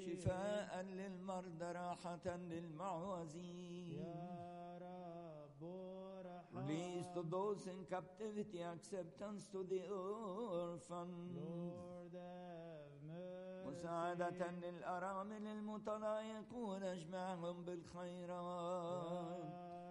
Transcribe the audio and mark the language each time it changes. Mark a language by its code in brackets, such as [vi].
[ar] شفاء للمرضى راحة للمعوزين. يا رب رحم. [en] Release to those in captivity acceptance to the orphan. Lord, have mercy. [ar] مساعدة للأرامل المتضايقون اجمعهم بالخيرات.